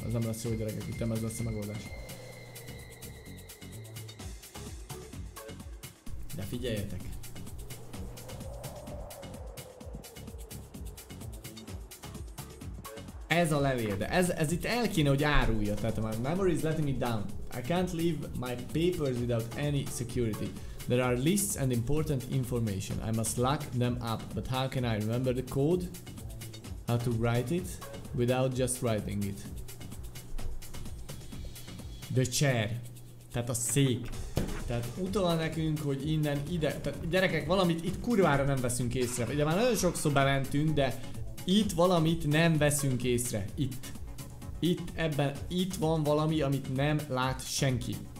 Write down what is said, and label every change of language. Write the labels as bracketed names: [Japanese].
[Hungarian] Az nem lesz jó, gyerekek, itt nem ez lesz a megoldás. De figyeljetek! Ez a levél, de ez itt el kéne, hogy árulja. Tehát [English] my memory is letting me down. I can't leave my papers without any security. There are lists and important information. I must lock them up. But how can I remember the code? How to write it without just writing it. The chair. [Hungarian] Tehát a szék. Tehát utal nekünk, hogy innen ide. Tehát gyerekek, valamit itt kurvára nem veszünk észre. Ugye már nagyon sokszor bementünk, de itt valamit nem veszünk észre. Itt. Itt ebben. Itt van valami, amit nem lát senki.